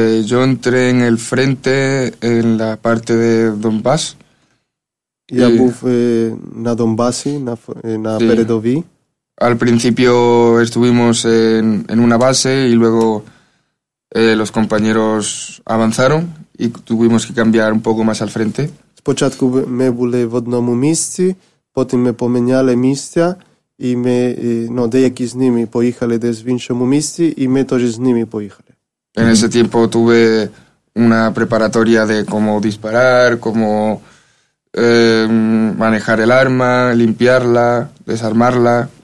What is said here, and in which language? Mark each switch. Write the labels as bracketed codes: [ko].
[es] Yo entré en el frente en la parte de Donbass. [uk] Я був на Донбасі, на передовій. [es] Al principio estuvimos en una base y luego los compañeros avanzaron y tuvimos que cambiar un poco más al frente. [uk] Спочатку ми були в одному місці, потім ми поміняли місця і ми, ну, деякі з ними поїхали десь в іншому місці і ми теж з ними поїхали. [es] En ese tiempo tuve una preparatoria de cómo disparar, cómo manejar el arma, limpiarla, desarmarla.